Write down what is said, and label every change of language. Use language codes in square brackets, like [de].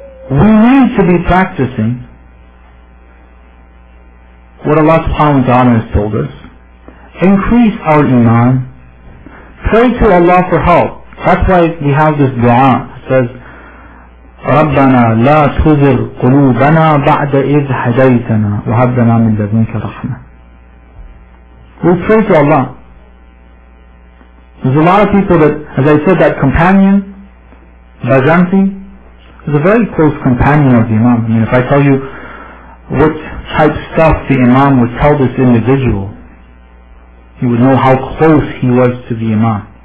[en] We need to be practicing what Allah subhanahu wa ta'ala has told us. Increase our iman. Pray to Allah for help. That's why we have this dua. It says, [ar] رَبَّنَا لَا تُذِرْ قُلُوبَنَا بَعْدَ إِذْ هَدَيْتَنَا وَهَبَّنَا مِنْ لَدُنْكَ رَحْمَةً. [en] We pray to Allah. There's a lot of people that, as I said, that companion, Bazanti, is a very close companion of the Imam. I mean, if I tell you what type of stuff the Imam would tell this individual, you would know how close he was to the Imam.